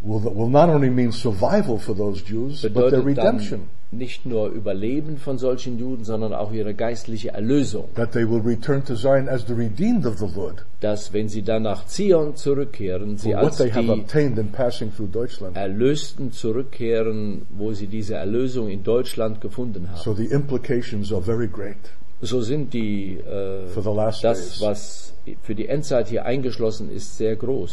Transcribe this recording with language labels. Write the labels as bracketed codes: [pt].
[en] Will not only mean survival for those Jews, but their redemption. [de] Nicht nur Überleben von solchen Juden, sondern auch ihre geistliche Erlösung. [en] That they will return to Zion as the redeemed of the Lord. [de] Dass wenn sie dann nach Zion zurückkehren, sie [en] for [de] als [en] what they [de] die [en] have obtained in passing through Deutschland. [de] Erlösten zurückkehren, wo sie diese Erlösung in Deutschland gefunden haben. [en] So the implications are very great. [de] So sind die [en] for the last [de] das, was für die Endzeit hier eingeschlossen ist, sehr groß.